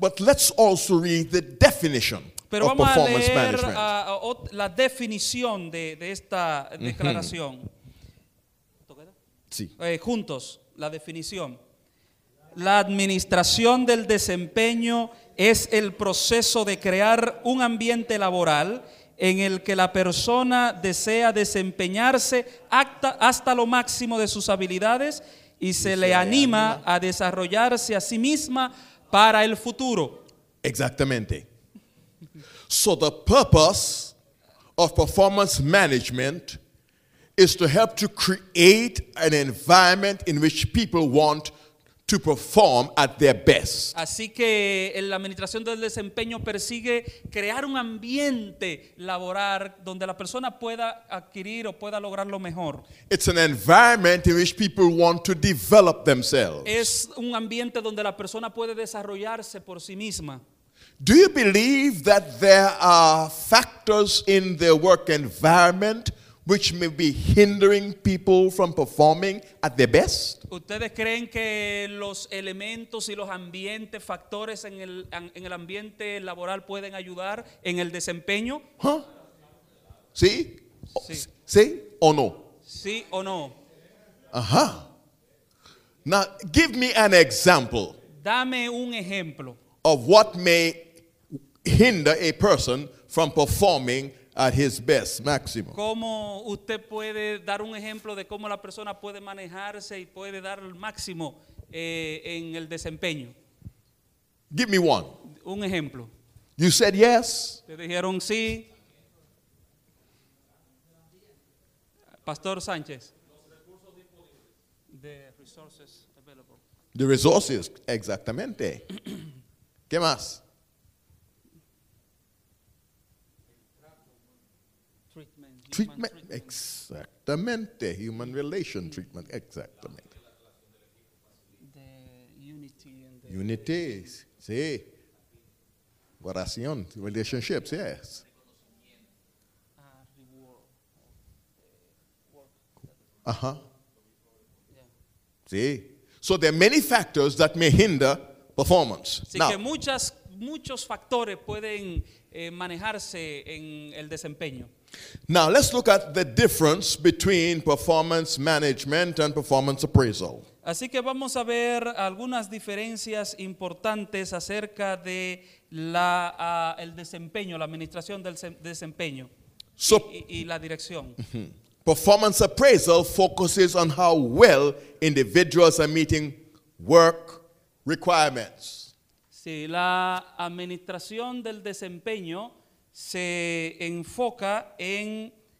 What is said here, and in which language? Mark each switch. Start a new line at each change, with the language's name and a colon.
English: But let's also read the definition of
Spanish: Pero vamos a leer la definición de esta declaración. Sí. Juntos, la definición. La administración del desempeño es el proceso de crear un ambiente laboral en el que la persona desea desempeñarse hasta lo máximo de sus habilidades y se le anima a desarrollarse a sí misma para el futuro. Exactamente.
English: So the purpose of performance management is to help to create an environment in which people want to perform at their best.
Spanish: Así que la administración del desempeño persigue crear un ambiente laboral donde la persona pueda adquirir o pueda lograr lo mejor.
English: It's an environment in which people want to develop themselves.
Spanish: Es un ambiente donde la persona puede desarrollarse por sí misma.
English: Do you believe that there are factors in the work environment which may be hindering people from performing at their best?
Spanish: ¿Ustedes creen que los elementos y los ambientes, factores en el ambiente laboral pueden ayudar en el desempeño? Huh? ¿Sí? ¿Sí? ¿Sí o no? Sí o no.
English: Ajá. Now, give me an example.
Spanish: Dame un ejemplo.
English: Of what may hinder a person from performing at his best, máximo.
Spanish: ¿Cómo usted puede dar un ejemplo de cómo la persona puede manejarse y puede dar el máximo en el desempeño?
English: Give me one.
Spanish: Un ejemplo.
English: You said yes.
Spanish: Te dijeron sí. Pastor Sánchez.
English: The resources available. The resources,
Spanish: exactamente. ¿Qué más?
English: Treatment.
Spanish: Exactamente.
English: Human relation treatment.
Spanish: Exactamente.
English: The unity. Unity.
Spanish: Sí. Oración.
English: Relationships. Yes. Uh-huh. Yeah. See, so there are many factors that may hinder performance.
Spanish: Así now, que muchos factores pueden manejarse en el desempeño.
English: Now, let's look at the difference between performance management and performance appraisal.
Spanish: Así que vamos a ver algunas diferencias importantes acerca de la el desempeño, la administración del desempeño
English: so,
Spanish: y la dirección. Mm-hmm.
English: Performance appraisal focuses on how well individuals are meeting work requirements.
Spanish: Sí, la administración del desempeño se enfoca en